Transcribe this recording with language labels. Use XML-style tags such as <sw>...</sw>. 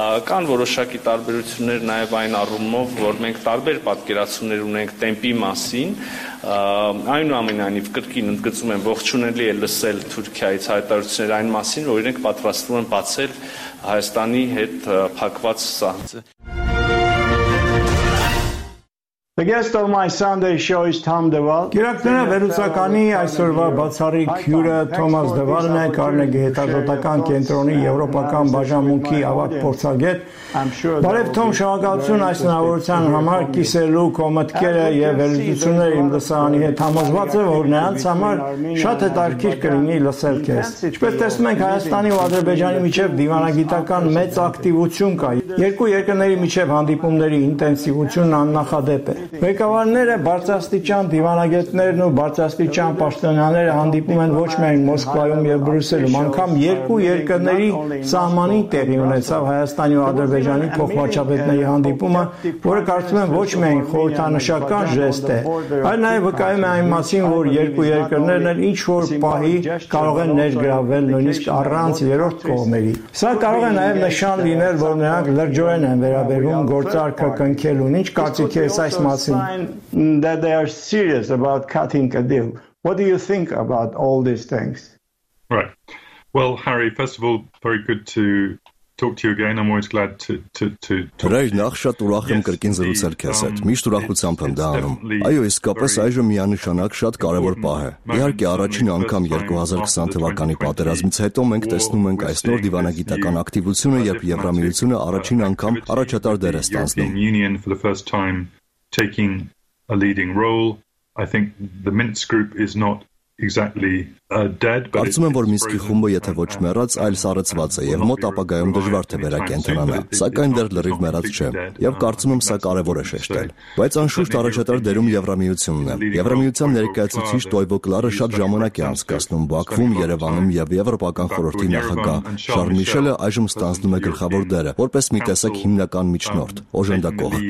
<hy>Կան որոշակի տարբերություններ նաև այն առումով, որ մենք տարբեր պատկերացումներ ունենք տեմպի մասին, այնուամենայնիվ կրկին ընդգծում եմ, ողջունելի է լսել Թուրքիայից հայտարարություններ այն մասին, որ իրենք պատրաստվում են բացել Հայաստանի հետ փակված սահմանը։</hy> <en>The guest of my Sunday show is Tom Deval.</en> <hy>Գիրակները վերուսականի այսօրվա բացառիկ հյուրը Թոմաս Դեվալն է, Կարնեգի հետազոտական կենտրոնի եվրոպական բաժանմունքի ավագ փորձագետ։ Բարև Թոմ, շնորհակալություն այս հնարավորության համար կիսելու քո մտքերը եւ վերլուծությունները իմ լսարանի հետ։ Համոզված եմ, որ նրանց համար շատ հետաքրքիր կլինի լսել քեզ։ Ինչպես տեսնում ենք, Հայաստանի ու Ադրբեջանի միջև դիվանագիտական մեծ ակտիվություն կա։ Երկու երկրների միջև հանդիպումների ինտենսիվությունն աննախադեպ է։ Ղեկավարները, բարձրաստիճան դիվանագետներն ու բարձրաստիճան պաշտոնյաները հանդիպում են ոչ միայն Մոսկվայում եւ Բրյուսելում, անգամ երկու երկրների սահմանին տեղի ունեցավ Հայաստանի ու Ադրբեջանի փոխվաճապետների հանդիպումը, որը կարծում եմ ոչ միայն խորհրդանշական ժեստ է, այլ նաեւ վկայում է այն մասին, որ երկու երկրներն էլ ինչ որ պահի կարող են ներգրավել նույնիսկ առանց երրորդ կողմերի։ Սա կարող է նաեւ նշան լինել, որ նրանք լրջորեն են վերաբերվում գործարքը կնքելուն։ Ինչ կարծիք ես այս մասին?</hy> <en>That they are serious about cutting a deal. What do you think about all these things? Right. Well, Harry, first of all, very good to talk to you again. I'm always glad to talk.</en> <hy>Ռայ նախ շատ ուրախ եմ կրկին զրուցել քեզ հետ։ Միշտ ուրախությամբ եմ դառնում։ Այո, իսկապես այժմ միանշանակ շատ կարևոր պահ է։ Իհարկե, առաջին անգամ 2020 թվականի պատերազմից հետո մենք տեսնում ենք այս նոր դիվանագիտական ակտիվությունը, երբ Եվրամիությունը առաջին անգամ առաջատար դեր է ստանձնում։</hy> <en>Taking a leading role, I think the Minsk group is not exactly dead, but</en> <hy>կարծում եմ, որ Մինսկի խումբը, եթե ոչ մեռած, այլ սառեցված է եւ մոտ ապագայում դժվար թե վերակենտրոնանա, սակայն դեռ լրիվ մեռած չէ եւ կարծում եմ սա կարեւոր է շեշտել, բայց անշուշտ առաջատար դերում Եվրամիությունն է։ Եվրամիության ներկայացուցիչ Տոյվո Կլարը շատ ժամանակ է անցկացնում Բաքվում, Երևանում եւ Եվրոպական խորհրդի նախագահ Շարլ Միշելը այժմ ստանձնում է գլխավոր դերը որպես մի տեսակ հիմնական միջնորդ, օժանդակող,</hy>